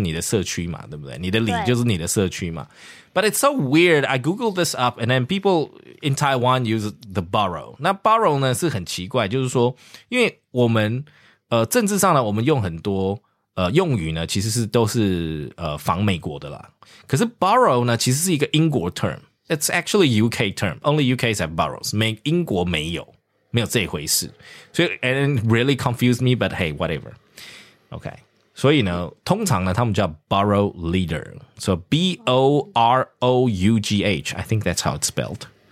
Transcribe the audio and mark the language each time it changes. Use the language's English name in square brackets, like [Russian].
[Chinese] 我们通常应该是讲社区，因为里长就是你的社区嘛，对不对？你的里就是你的社区嘛。 [English] But it's so weird. I googled this up, and then people in Taiwan use the borough. [Chinese] 那 borough 呢是很奇怪，就是说，因为我们政治上呢，我们用很多用语呢，其实是都是仿美国的啦。可是 borough 呢，其实是一个英国 term. [English] It's actually UK term. Only UKs have boroughs. [Chinese] 英国没有。没有这回事, [English] so and it really confused me. But hey, whatever. Okay, so you know, [Chinese] 通常呢, 他们叫 [English] borough leader. So B O R O U G H. I think that's how it's spelled.